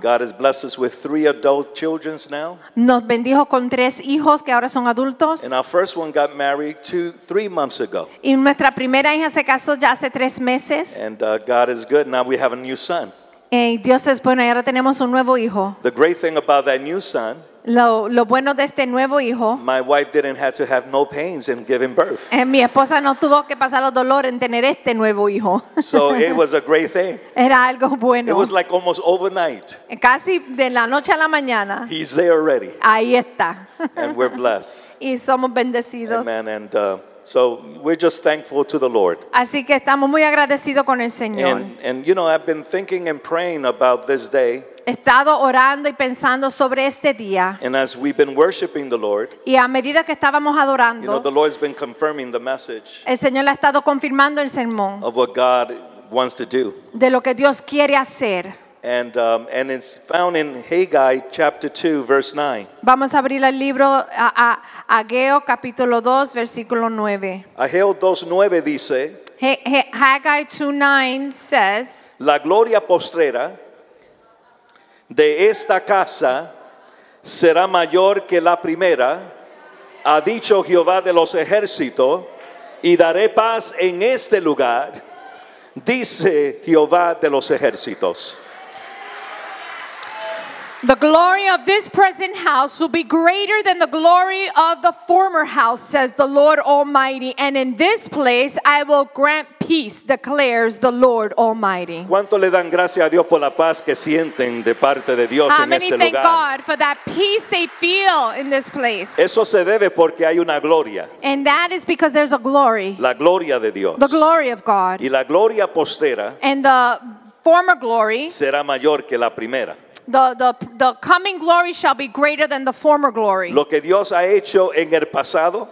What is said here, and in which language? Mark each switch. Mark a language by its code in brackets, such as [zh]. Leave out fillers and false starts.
[en] God has blessed us with 3 adult children now. [es] Nos bendijo con 3 hijos que ahora son adultos. [en] And our first one got married 3 months ago. [es] Y nuestra primera hija se casó ya hace 3 meses. [en] And God is good. Now we have a new son. [es] Y Dios es bueno y ahora tenemos un nuevo hijo. [en] The great thing about that new son. [es] Lo bueno de este nuevo hijo. [en] My wife didn't have to have no pains in giving birth. [es] Mi esposa no tuvo que pasar los dolores en tener este nuevo hijo. [en] So it was a great thing. [es] Era algo bueno. [en] It was like almost overnight. [es] Casi de la noche a la mañana. [en] He's there already. [es] Ahí está. [en] And we're blessed. [es] Y somos bendecidos. [en] Amen. And so we're just thankful to the Lord. [es] Así que estamos muy agradecidos con el Señor. [en] And you know, I've been thinking and praying about this day. [es] He estado orando y pensando sobre este día. [en] And as we've been worshiping the Lord, [es] y a medida que estábamos adorando, [en] you know, the Lord's been confirming the message. [es] El Señor ha estado confirmando el sermón. [en] Of what God wants to do. [es] De lo que Dios quiere hacer. [en] And it's found in Haggai chapter 2 verse 9. [es] Vamos a abrir el libro a Ageo capítulo 2 versículo 9. Ageo 2:9 dice, [en] Haggai 2:9 says, [es] la gloria postrera de esta casa será mayor que la primera, ha dicho Jehová de los ejércitos, y daré paz en este lugar, dice Jehová de los ejércitos. [en] The glory of this present house will be greater than the glory of the former house, says the Lord Almighty, and in this place I will grant peace. peace, declares the Lord Almighty. [es] ¿Cuánto le dan gracias a Dios por la paz que sienten de parte de Dios en este lugar? [en] How many thank God for that peace they feel in this place? [es] Eso se debe porque hay una gloria. [en] And that is because there's a glory. [es] La gloria de Dios. [en] The glory of God. [es] Y la gloria postrera. [en] And the former glory. [es] Será mayor que la primera. [en] The coming glory shall be greater than the former glory. [es] Lo que Dios ha hecho en el pasado,